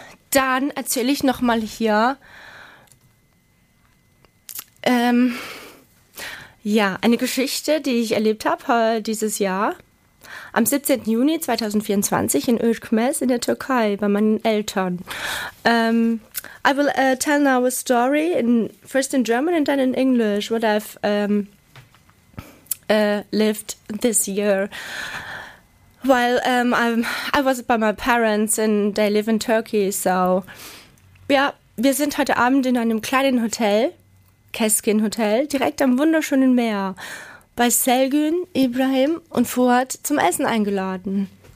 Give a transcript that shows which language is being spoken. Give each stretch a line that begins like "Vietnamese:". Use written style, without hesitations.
German: Dann erzähle ich nochmal hier. Ja, eine Geschichte, die ich erlebt habe dieses Jahr. Am 17. Juni 2024 in Özkmez in der Türkei bei meinen Eltern.
English: I will tell now a story in first in German and then in English, what I've lived this year. While I was by my parents and they live in Turkey, so
German: ja, wir sind heute Abend in einem kleinen Hotel, Keskin Hotel, direkt am wunderschönen Meer, bei Selgün, Ibrahim und Fuad zum Essen eingeladen.